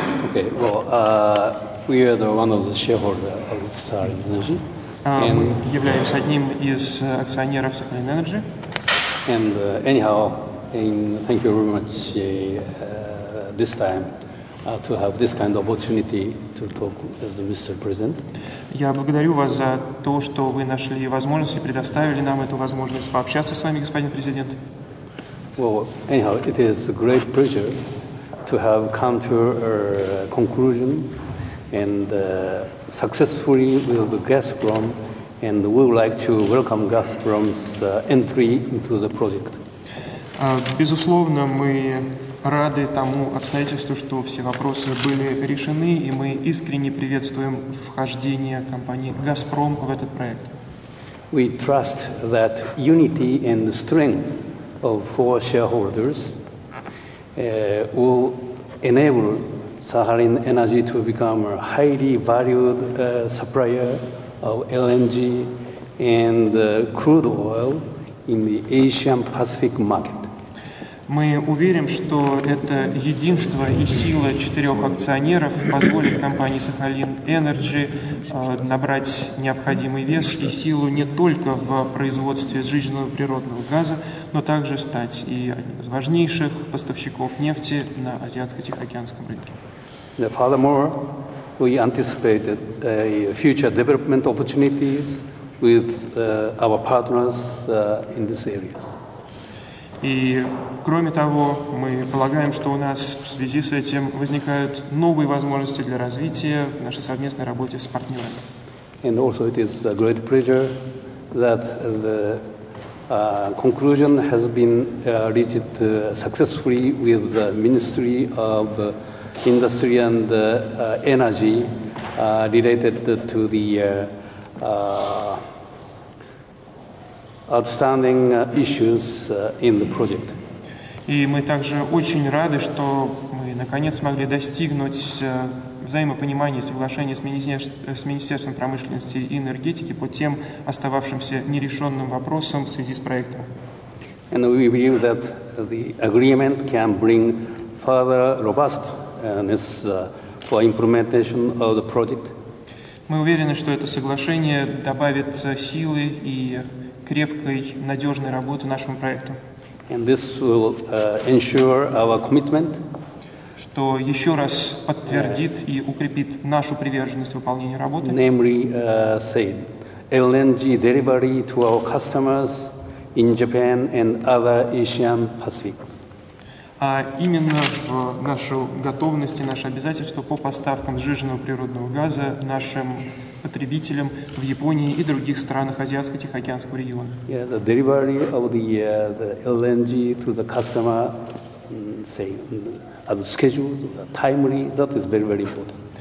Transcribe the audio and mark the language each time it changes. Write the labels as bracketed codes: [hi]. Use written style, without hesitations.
[en] Okay, well, we are the one of the shareholders of Sakhalin Energy. [ru] Являемся одним из акционеров Sakhalin Energy. [en] And anyhow, and thank you very much this time to have this kind of opportunity to talk as the Mr. President. [ru] Я благодарю вас за то, что вы нашли возможность и предоставили нам эту возможность пообщаться с вами, господин президент. [en] Well, anyhow, it is a great pleasure to have come to a conclusion and successfully with Gazprom, and we would like to welcome Gazprom's entry into the project. [ru] Безусловно, мы рады тому обстоятельству, что все вопросы были решены, и мы искренне приветствуем вхождение компании Gazprom в этот проект. [en] We trust that unity and the strength of four shareholders will enable Sakhalin Energy to become a highly valued supplier of LNG and crude oil in the Asian Pacific market. [ru] Мы уверим, что это единство и сила четырех акционеров позволит компании Sakhalin Energy набрать необходимый вес и силу не только в производстве сжиженного природного газа, но также стать и одним из важнейших поставщиков нефти на Азиатско-Тихоокеанском рынке. [en] Furthermore, we anticipated future development opportunities with our partners in this area. [ru] И, кроме того, мы полагаем, что у нас в связи с этим возникают новые возможности для развития в нашей совместной работе с партнерами. [en] And also it is a great pleasure that the conclusion has been reached successfully with the Ministry of Industry and Energy related to the outstanding issues in the project. [ru] И мы также очень рады, что мы наконец смогли достигнуть взаимопонимания и соглашения с Министерством промышленности и энергетики по тем остававшимся нерешенным вопросам в связи с проектом. [en] And we believe that the agreement can bring further robustness for implementation of the project. [ru] Мы уверены, что это соглашение добавит силы и крепкой, надежной работы нашему проекту. [en] And this will ensure our commitment. [ru] Что еще раз подтвердит и укрепит нашу приверженность выполнению работы. [en] Namely, say, LNG delivery to our customers in Japan and other Asian Pacific. [ru] А именно в нашу готовность и наше обязательство по поставкам сжиженного природного газа нашим потребителям в Японии и других странах Азиатско-Тихоокеанского региона. [en] Yeah, the delivery of the LNG to the customer, say, as scheduled, timely, that is very, very important.